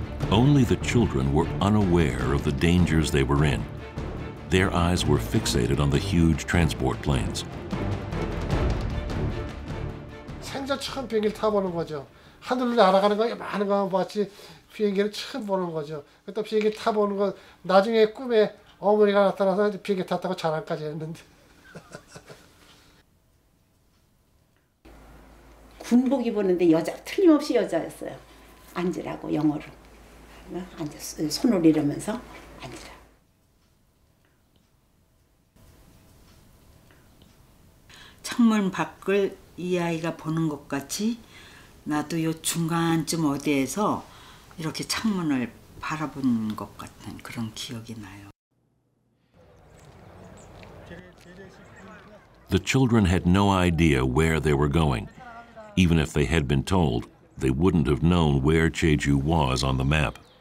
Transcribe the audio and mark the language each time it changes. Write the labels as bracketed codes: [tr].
[en] Only the children were unaware of the dangers they were in. Their eyes were fixated on the huge transport planes. [ko] 생전 처음 비행기를 타보는 거죠. 하늘로 날아가는 거 많은 거 봤지 비행기를 처음 보는 거죠. 또 비행기 타보는 거 나중에 꿈에 어머니가 나타나서 비행기 탔다고 자랑까지 했는데. 군복 입었는데 여자 틀림없이 여자였어요. 앉으라고 영어로 앉아 손을 이러면서 앉으라. 창문 밖을 이 아이가 보는 것 같이 나도 요 중간쯤 어디에서 이렇게 창문을 바라본 것 같은 그런 기억이 나요. [en] The children had no idea where they were going. Even if they had been told, they wouldn't have known where Jeju was on the map.